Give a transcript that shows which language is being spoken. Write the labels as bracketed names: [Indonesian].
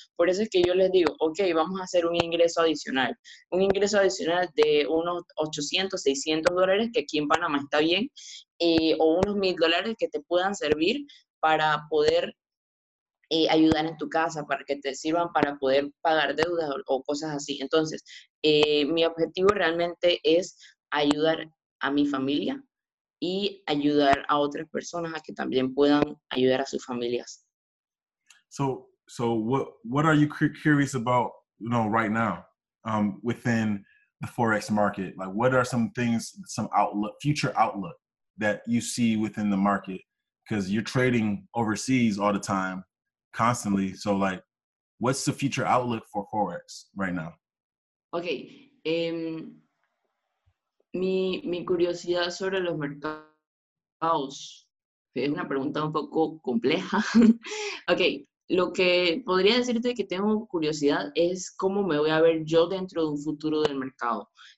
[Spanish] Por eso es que yo les digo, ok, vamos a hacer un ingreso adicional de unos 800, $600, que aquí en Panamá está bien, o unos $1,000 que te puedan servir para poder ayudar en tu casa, para que te sirvan para poder pagar deudas o cosas así. Entonces, mi objetivo realmente es ayudar a mi familia y ayudar a otras personas a que también puedan ayudar a sus familias. [English] So what are you curious about, you know, right now, within the forex market? Like, what are some things, some outlook, future outlook that you see within the market? Because you're trading overseas all the time, constantly. So, like, what's the future outlook for forex right now? Okay. [Spanish] Mi curiosidad sobre los mercados es una pregunta un poco compleja. Ok, lo que podría decirte que tengo curiosidad es cómo me voy a ver yo dentro de un futuro del mercado.